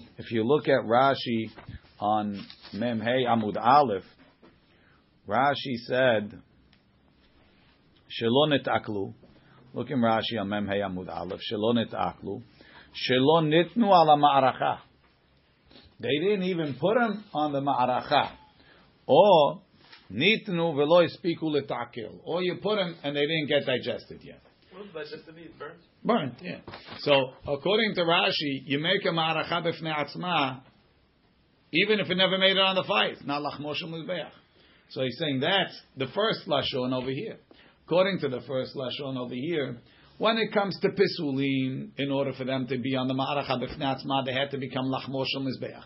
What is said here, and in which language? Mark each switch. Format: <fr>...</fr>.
<en>If you look at Rashi on Memhei Amud Aleph, Rashi said,</en> <he>שלא נתעקלו,</he> <en>look in Rashi on Mem Hei Amud Aleph,</en> <he>שלא נתעקלו, שלא נתנו על המערכה.</he> <en>They didn't even put them on the מערכה. Or,</en> <he>נתנו ולא הספיקו לתעקל.</he> <en>Or you put them and they didn't get digested yet. Well, digested means burnt. Burnt, yeah. So, according to Rashi, you make a</en> <he>מערכה בפני עצמה,</he> <en>even if it never made it on the fight. Not</en> <he>לחמוש ומזבח.</he> <en>So he's saying that's the first lashon over here. According to the first Lashon over here, when it comes to Pisulim, in order for them to be on the Ma'aracha B'fnei Atzma, they had to become Lachmosh and Mizbeach.</en>